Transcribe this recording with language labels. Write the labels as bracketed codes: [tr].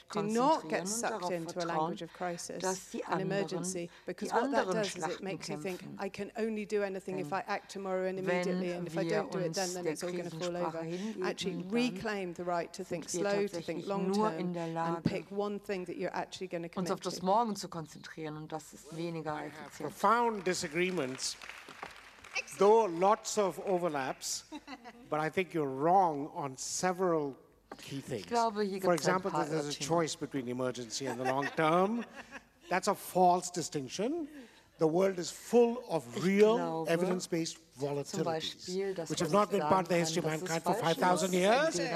[en] Do not get sucked into a language of crisis and emergency, because what that does is it makes you think, I can only do anything if I act tomorrow and immediately, and if I don't do it then it's all going to fall over. Actually reclaim the right to think slow, to think long term, and pick one thing that you're actually going to commit to. [de] Uns auf das Morgen zu konzentrieren, und das ist weniger effizient. [en] Profound disagreements. Excellent. Though lots of overlaps, but I think you're wrong on several key things. For example, that there's a choice between emergency and the long term. That's a false distinction. The world is full of real evidence-based volatilities, which have not been part of the history of mankind for 5,000 years.